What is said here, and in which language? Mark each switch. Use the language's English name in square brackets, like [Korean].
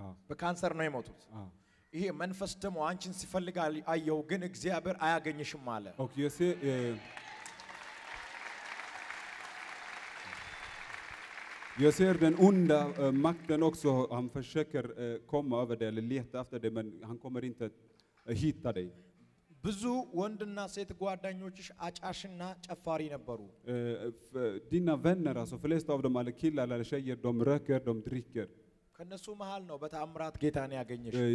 [Amharic] በካንሰር ነው የሞቱት። ይሄ መንፈስ ደሞ አንቺን ሲፈልጋል አየው ግን እግዚአብሔር አያገኝሽም አለ። [Swedish] ኦኬ እሺ Josef den unda makten också han försöker komma över det eller leta efter det men han kommer inte hitta dig. [Amharic] ብዙ ወንድና ሴት ጓደኞችሽ አጫሽና ጨፋሪ ነበሩ። [Swedish] Dina vänner alltså flest av dem alla killar eller tjejer de röker de dricker. [Amharic] ከነሱ መሃል ነው በታምራት ጌታን ያገኘሽ።